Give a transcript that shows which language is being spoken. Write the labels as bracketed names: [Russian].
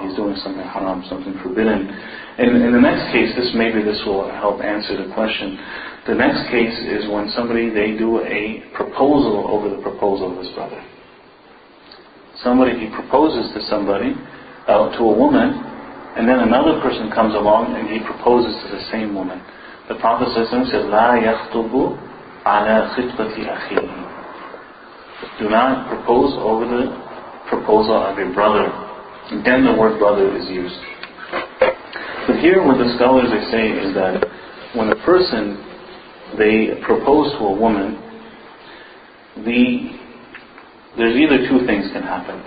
[English] He's doing something haram, something forbidden. In the next case, maybe this will help answer the question. The next case is when somebody, they do a proposal over the proposal of his brother. Somebody, he proposes to somebody, to a woman, and then another person comes along and he proposes to the same woman. The Prophet says, [Arabic] لا يخطب على خطبة أخيه. [English] Do not propose over the proposal of your brother. Then the word brother is used. But here what the scholars are saying is that when a person, they propose to a woman, there's either two things can happen.